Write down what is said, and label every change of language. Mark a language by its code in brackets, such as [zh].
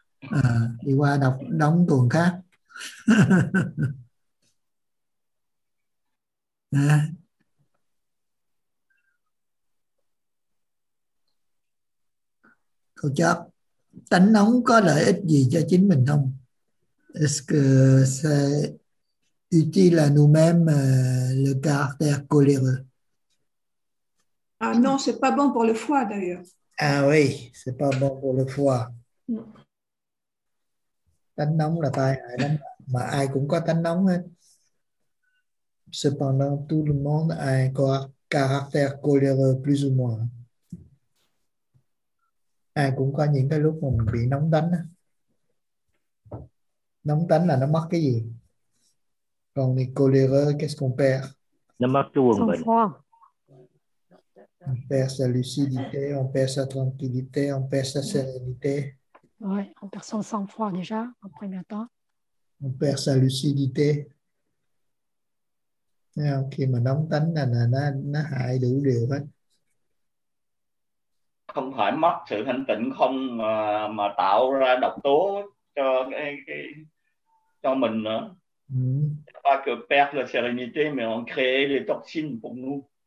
[vi] À, đi qua đọc đóng tuồng khác. À. Câu chót, tánh nóng có lợi ích gì cho chính mình không? [fr] Est-ce que c'est utile à nous-mêmes le caractère coléreux? Ah non, c'est pas bon pour le foie d'ailleurs. Ah oui, c'est pas bon pour le foie. [vi] Tánh nóng là tai hại lắm, mà ai cũng có tánh nóng hết. [fr] Cependant, tout le monde a un caractère coléreux plus ou moins. [vi] Ai cũng có những cái lúc mà mình bị nóng tánh á. Nóng tánh là nó mất cái gì? Còn cái [fr] coléreux, qu'est-ce qu'on perd? [vi] Nó mất cái quần bệnh. [fr] On perd sa lucidité, on perd sa tranquillité, on perd sa sérénité. Oui, on perd son sang-froid déjà, en premier temps. On perd sa lucidité. [vi] Yeah, khi mà nóng tánh là nó hại đủ điều hết. Không phải mất sự thanh tịnh không mà, mà tạo ra độc tố cho cái cho mình nữa. Mm. [fr] Pas que perdre la sérénité, mais on crée les toxines pour nous.